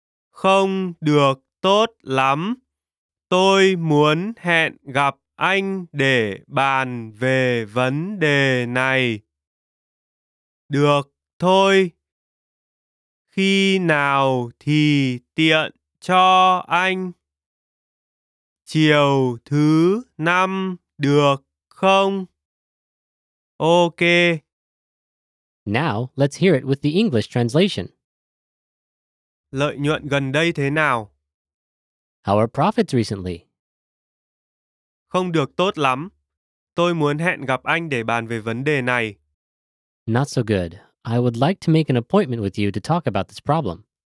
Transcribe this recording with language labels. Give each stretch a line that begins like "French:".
Vietnamese: Không được tốt lắm. Tôi muốn hẹn gặp anh để bàn về vấn đề này. Được thôi. Khi nào thì tiện cho anh? Chiều thứ năm được không? Ok.
English: Now, let's hear it with the English translation.
Vietnamese: Lợi nhuận gần đây thế nào?
English: How are profits recently?
Vietnamese: Không được tốt lắm. Tôi muốn hẹn gặp anh để bàn về vấn đề này.
English: Not so good. I would like to make an appointment with you to talk about this problem.